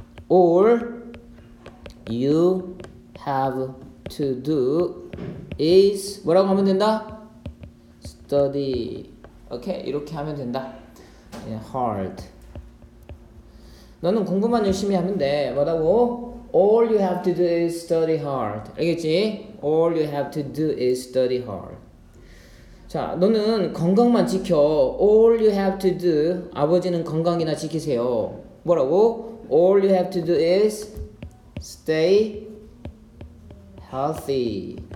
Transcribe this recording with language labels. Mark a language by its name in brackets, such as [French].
[English] All you have to do is [Korean] 뭐라고 하면 된다? [English] Study. [Korean] 오케이, 이렇게 하면 된다. [English] Hard. [Korean] 너는 공부만 열심히 하면 돼. 뭐라고? [English] All you have to do is study hard. [Korean] 알겠지? [English] All you have to do is study hard. [Korean] 자, 너는 건강만 지켜. [English] All you have to do. [Korean] 아버지는 건강이나 지키세요. 뭐라고? [English] All you have to do is stay healthy.